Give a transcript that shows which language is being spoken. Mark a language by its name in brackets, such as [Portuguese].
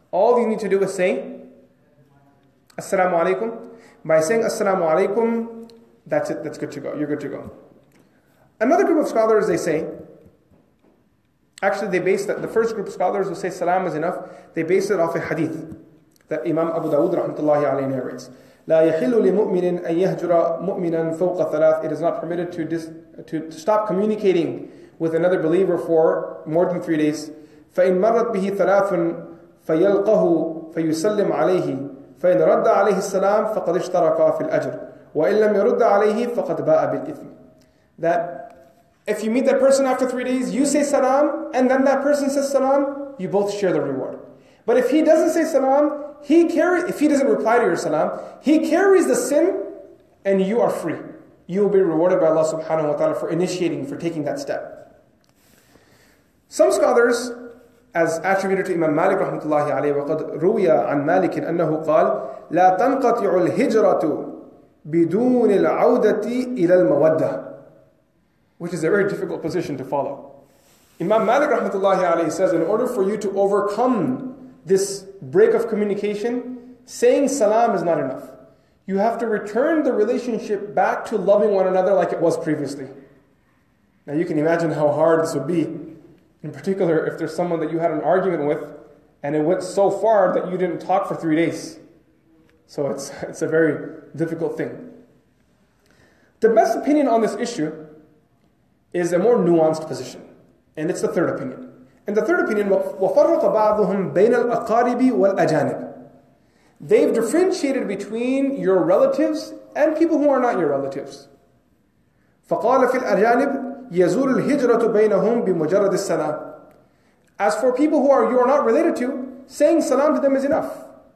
[English] All you need to do is say, assalamu alaikum. By saying assalamu alaikum, that's it, that's good to go. You're good to go. Another group of scholars, they say, actually, they base that, the first group of scholars who say salam is enough, they base it off a hadith that Imam Abu Dawood rahmatullahi alayhi narrates. [Arabic] لا يحل لمؤمن أن يهجر مؤمنا فوق ثلاث. [English] It is not permitted to stop communicating with another believer for more than 3 days. [Arabic] فإن مرت به ثلاث فيلقه فيسلم عليه فإن رد عليه السلام فقد اشترك في الأجر وإن لم يرد عليه فقد باء بالإثم. [English] That If you meet that person after 3 days, you say salam, and then that person says salam, you both share the reward. But if he doesn't say salam, if he doesn't reply to your salam, he carries the sin, and you are free. You will be rewarded by Allah subhanahu wa ta'ala for initiating, for taking that step. Some scholars, as attributed to Imam Malik rahmatullahi alayhi, [Arabic] وَقَدْ رُوِيَ عَنْ مَالِكٍ أَنَّهُ قَالَ لَا تَنْقَطِعُ الْهِجْرَةُ بِدُونِ الْعَوْدَةِ إِلَى الْمَوَدَّةِ. [English] Which is a very difficult position to follow. Imam Malik rahmatullahi alayhi says, in order for you to overcome this break of communication, saying salam is not enough. You have to return the relationship back to loving one another like it was previously. Now you can imagine how hard this would be. In particular, if there's someone that you had an argument with and it went so far that you didn't talk for 3 days. So it's a very difficult thing. The best opinion on this issue is a more nuanced position. And it's the third opinion. And the third opinion, [Arabic] وَفَرَّقَ بَعْضُهُمْ بَيْنَ الْأَقَارِبِ وَالْأَجَانِبِ. [English] They've differentiated between your relatives and people who are not your relatives. [Arabic] فَقَالَ فِي الْأَجَانِبِ يَزُولُ الْهِجْرَةُ بَيْنَهُمْ بِمُجَرَدِ السَّلَامِ. [English] As for people who you are not related to, saying salam to them is enough.